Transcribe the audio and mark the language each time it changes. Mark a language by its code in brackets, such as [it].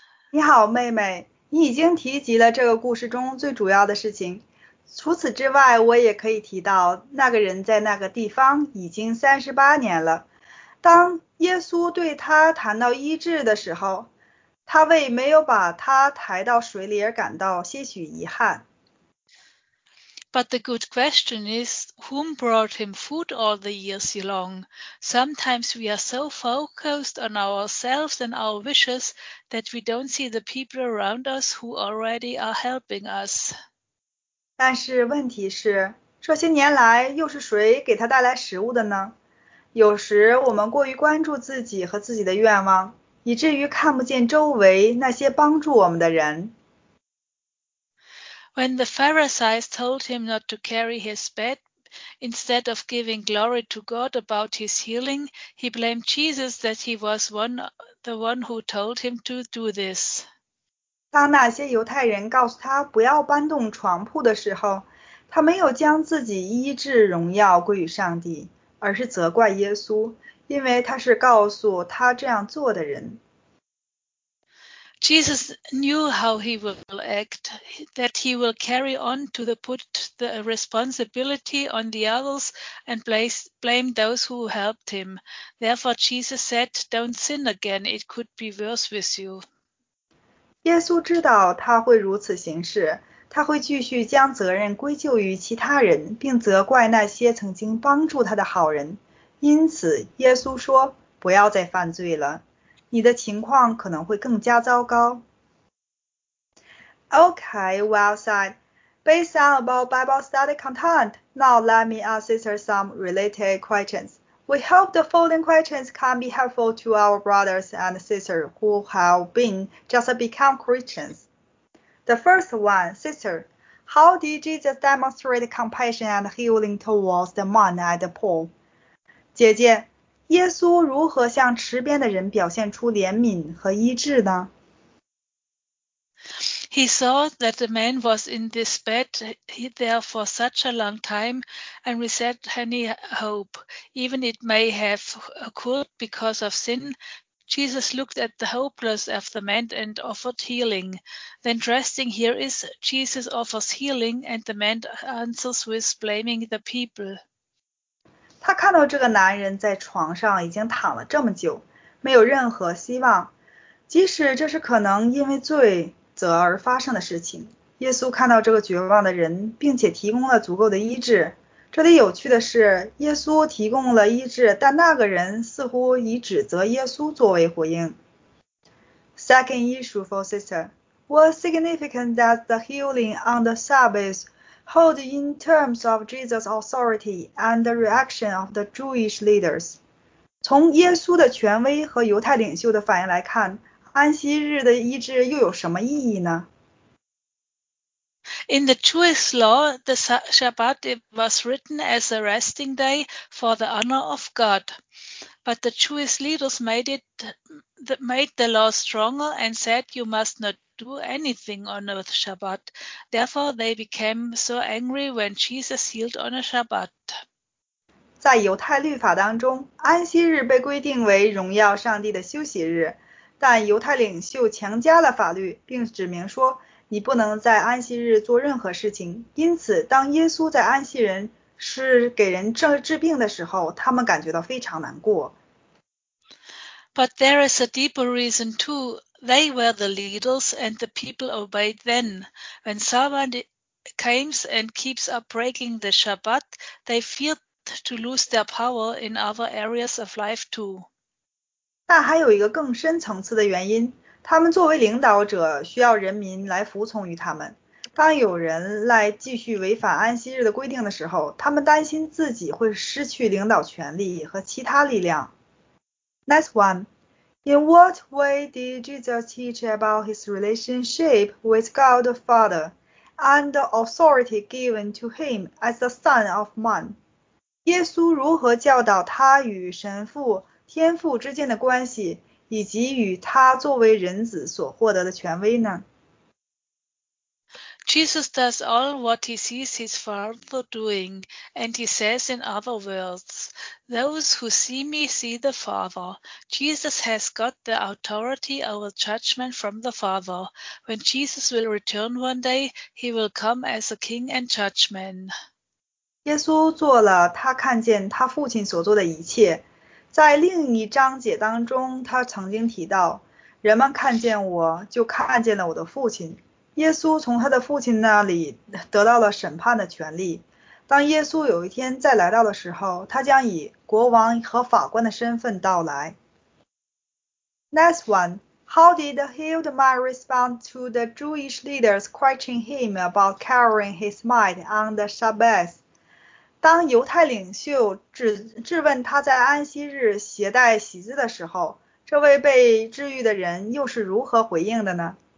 [zh] 你好，妹妹，你已经提及了这个故事中最主要的事情。除此之外，我也可以提到，那个人在那个地方已经38年了。当耶稣对他谈到医治的时候，他为没有把他抬到水里而感到些许遗憾。 [en] But the good question is, whom brought him food all the years he longed? Sometimes we are so focused on ourselves and our wishes that we don't see the people around us who already are helping us. [zh] 但是问题是，这些年来又是谁给他带来食物的呢？有时我们过于关注自己和自己的愿望，以至于看不见周围那些帮助我们的人。 [en] When the Pharisees told him not to carry his bed, instead of giving glory to God about his healing, he blamed Jesus that he was the one who told him to do this. [zh] 当那些犹太人告诉他不要搬动床铺的时候，他没有将自己医治荣耀归于上帝，而是责怪耶稣，因为他是告诉他这样做的人。 [en] Jesus knew how he will act, that he will carry on to put the responsibility on the others and blame those who helped him. Therefore, Jesus said, "Don't sin again. It could be worse with you." [zh] 耶稣知道他会如此行事，他会继续将责任归咎于其他人，并责怪那些曾经帮助他的好人。因此，耶稣说：“不要再犯罪了，你的情况可能会更加糟糕。” [en] Okay, well said. Based on about Bible study content, now let me ask sister some related questions. We hope the following questions can be helpful to our brothers and sisters who have been just become Christians. The first one, sister, how did Jesus demonstrate compassion and healing towards the man at the pool? [zh] 姐姐，耶稣如何向池边的人表现出怜悯和医治呢？ [en] He saw that the man was in this bed there for such a long time and without any hope, even it may have occurred because of sin. Jesus looked at the hopeless of the man and offered healing. The interesting here is Jesus offers healing and the man answers with blaming the people. [zh] 他看到这个男人在床上已经躺了这么久，没有任何希望，即使这是可能因为罪责而发生的事情。耶稣看到这个绝望的人，并且提供了足够的医治。这里有趣的是，耶稣提供了医治，但那个人似乎以指责耶稣作为回应。 [en] Second issue for sister, what significance does the healing on the Sabbath hold in terms of Jesus' authority and the reaction of the Jewish leaders? [zh] 从耶稣的权威和犹太领袖的反应来看，安息日的医治又有什么意义呢？ [en] In the Jewish law, the Shabbat was written as a resting day for the honor of God. But the Jewish leaders made the law stronger and said you must not do anything on a Shabbat. Therefore, they became so angry when Jesus healed on a Shabbat. [zh] 在犹太律法当中，安息日被规定为荣耀上帝的休息日，但犹太领袖强加了法律，并指明说你不能在安息日做任何事情。因此，当耶稣在安息日是给人治病的时候，他们感觉到非常难过。 [en] But there is a deeper reason too. They were the leaders, and the people obeyed them. When someone comes and keeps up breaking the Shabbat, they feared to lose their power in other areas of life too. [zh] 但还有一个更深层次的原因。他们作为领导者需要人民来服从于他们。当有人来继续违反安息日的规定的时候，他们担心自己会失去领导权力和其他力量。 [en] Next one. In what way did Jesus teach about his relationship with God the Father and the authority given to him as the Son of Man? [zh] 耶稣如何教导他与神父、天父之间的关系？以及与他作为人子所获得的权威呢？ [en] Jesus does all what he sees his Father doing, and he says in other words, those who see me see the Father. Jesus has got the authority over judgment from the Father. When Jesus will return one day, he will come as a king and judge men. [zh] 耶稣做了他看见他父亲所做的一切。在另一章节当中，他曾经提到，人们看见我，就看见了我的父亲。耶稣从他的父亲那里得到了审判的权利。当耶稣有一天再来到的时候，他将以国王和法官的身份到来。 [en] Next one, how did the healed man respond to the Jewish leaders questioning him about carrying his mat on the Sabbath? [zh] 当犹太领袖质问他在安息日携带席子的时候，这位被治愈的人又是如何回应的呢？